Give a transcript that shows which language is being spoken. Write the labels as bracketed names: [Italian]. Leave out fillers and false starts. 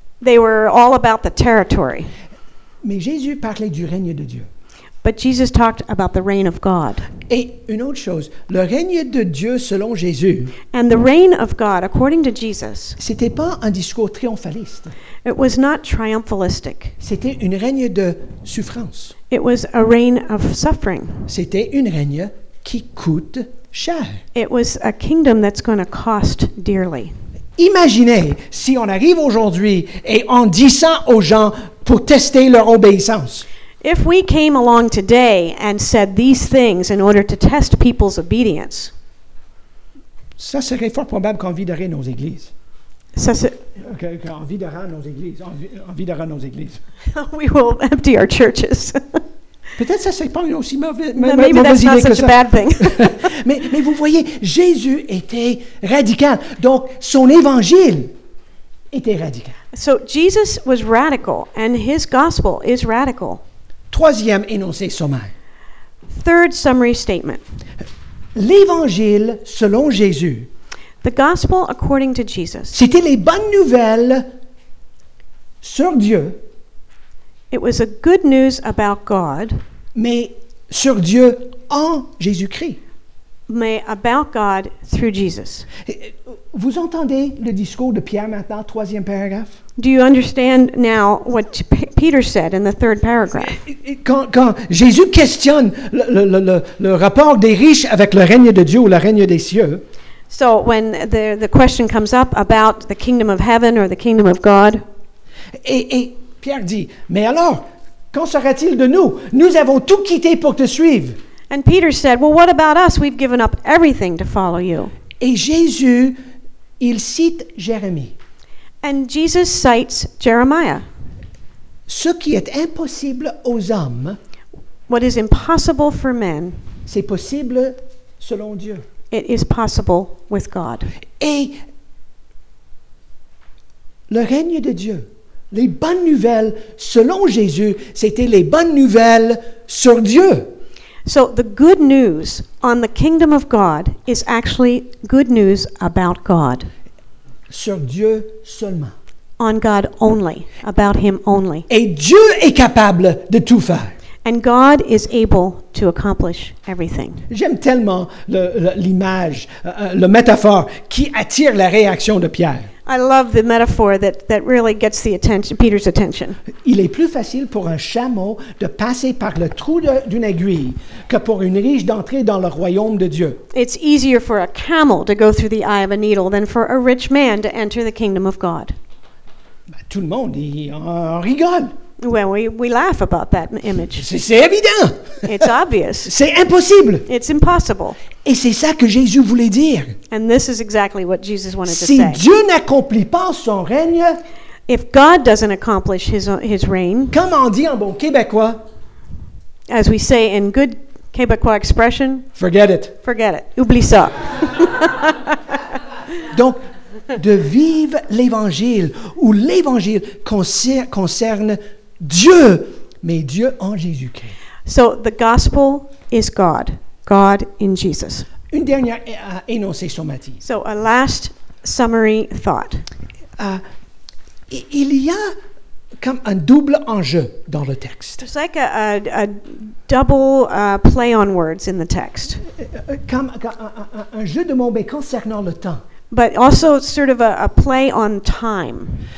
[English] They were all about the territory. [French] Mais Jésus parlait du règne de Dieu. [English] But Jesus talked about the reign of God. [French] Et une autre chose, le règne de Dieu selon Jésus. [English] And the reign of God according to Jesus. [French] C'était pas un discours triomphaliste. [English] It was not triumphalistic. [French] C'était une règne de souffrance. [English] It was a reign of suffering. [French] C'était une règne qui coûte cher. [English] It was a kingdom that's going to cost dearly. [French] Imaginez si on arrive aujourd'hui et on dit ça aux gens pour tester leur obéissance. [English] If we came along today and said these things in order to test people's obedience, [French] ça serait fort probable qu'on viderait nos églises. Ça qu'on viderait nos églises. On viderait nos églises. [English] We will empty our churches. [French] Peut-être ça serait pas aussi mauvais. [English] Maybe that's not such a bad thing. [French] mais vous voyez, Jésus était radical. Donc son évangile était radical. [English] So Jesus was radical, and his gospel is radical. [French] Troisième énoncé sommaire. [English] Third summary statement. [French] L'évangile selon Jésus. [English] The gospel according to Jesus. [French] C'était les bonnes nouvelles sur Dieu. [English] It was a good news about God. [French] Mais sur Dieu en Jésus-Christ. [English] Mais about God through Jesus. [French] Vous entendez le discours de Pierre maintenant, troisième paragraphe? [English] Do you understand now what Peter said in the third paragraph? [French] Quand Jésus questionne le rapport des riches avec le règne de Dieu ou le règne des cieux. [English] So when the question comes up about the kingdom of heaven or the kingdom of God. [French] Et Pierre dit, mais alors, qu'en sera-t-il de nous? Nous avons tout quitté pour te suivre. [English] And Peter said, well, what about us? We've given up everything to follow you. [French] Et Jésus, il cite Jérémie. [English] And Jesus cites Jeremiah. [French] Ce qui est impossible aux hommes, [English] what is impossible for men, [French] c'est possible selon Dieu. [English] It is possible with God. [French] Et le règne de Dieu, les bonnes nouvelles selon Jésus, c'était les bonnes nouvelles sur Dieu. [English] So the good news on the kingdom of God is actually good news about God. [French] Sur Dieu seulement. [English] On God only, about him only. [French] Et Dieu est capable de tout faire. [English] And God is able to accomplish everything. [French] J'aime tellement l'image, la métaphore qui attire la réaction de Pierre. [English] I love the metaphor that really gets the attention, Peter's attention. [French] Il est plus facile pour un chameau de passer par le trou d'une aiguille que pour une riche d'entrer dans le royaume de Dieu. [English] It's easier for a camel to go through the eye of a needle than for a rich man to enter the kingdom of God. [French] Ben, tout le monde en rigole. [English] Well, we laugh about that image. [French] C'est évident. [English] It's obvious. [French] C'est impossible. [English] It's impossible. [French] Et c'est ça que Jésus voulait dire. [English] And this is exactly what Jesus wanted [French] si [English] to say. [French] Si Dieu n'accomplit pas son règne, [English] if God doesn't accomplish his reign, [French] comme on dit en bon québécois, [English] as we say in good québécois expression, forget it. Forget it. [French] Oublie ça. Donc de vivre l'évangile où l'évangile concerne Dieu, mais Dieu en Jésus-Christ. [English] So the gospel is God. God in Jesus. [French] Une dernière énoncé sommative. [English] So a last summary thought. [French] Il y a comme un double enjeu dans le texte. [English] It's like a double play on words in the text. [French] Comme un jeu de mots, mais concernant le temps. [English] But also sort of a play on time.